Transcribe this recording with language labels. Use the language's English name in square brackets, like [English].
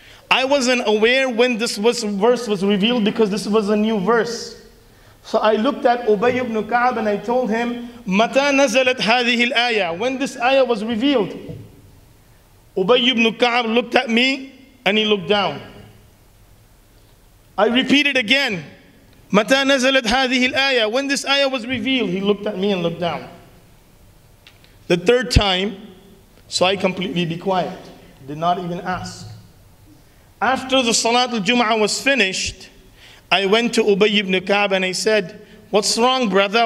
[English] I wasn't aware when this verse was revealed because this was a new verse. So I looked at Ubay ibn Ka'ab and I told him, [Arabic] Mata nazalat hadhihi al-ayah? [English] When this ayah was revealed, Ubay ibn Ka'ab looked at me and he looked down. I repeated again, [Arabic] متى نزلت هذه الآية? [English] When this ayah was revealed, he looked at me and looked down. The third time, so I completely be quiet, did not even ask. After the Salatul Jum'ah was finished, I went to Ubay ibn Ka'ab and I said, what's wrong, brother?